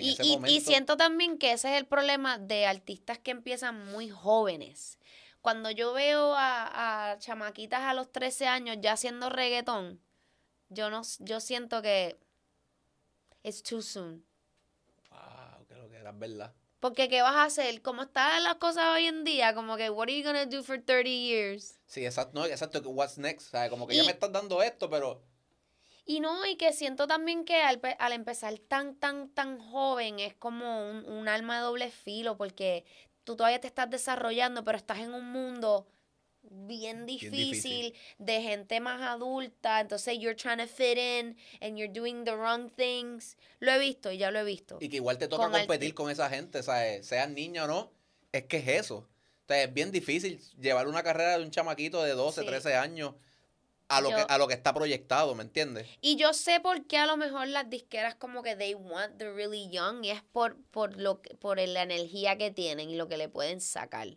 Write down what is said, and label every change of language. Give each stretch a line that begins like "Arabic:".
Spanish: ese momento. Y siento también que ese es el problema de artistas que empiezan muy jóvenes. Cuando yo veo a chamaquitas a los 13 años ya haciendo reggaetón, yo siento que
English: it's too soon.
Spanish: Wow, creo que era verdad. Porque, ¿qué vas a hacer? ¿Cómo están las cosas hoy en día? Como que,
English: what are you going to do for 30 years?
Spanish: Sí, exacto. No, exacto,
English: what's next?
Spanish: ¿Sabe? Como que ya me estás dando esto, pero... Y no, y que siento también que al empezar tan joven, es como un arma de doble filo, porque tú todavía te estás desarrollando, pero estás en un mundo bien difícil, de gente más adulta. Entonces,
English: you're trying to fit in and you're doing the wrong things.
Spanish: Lo he visto y ya lo he visto. Y que igual te toca competir con esa gente, ¿sabes? Seas niño o no, es que es eso. Entonces, es bien difícil llevar una carrera de un chamaquito de 12, sí, 13 años a lo que está proyectado, ¿me entiendes? Y yo sé por qué a lo mejor las disqueras como que
English: they want the really young,
Spanish: y es por la energía que tienen y lo que le pueden sacar.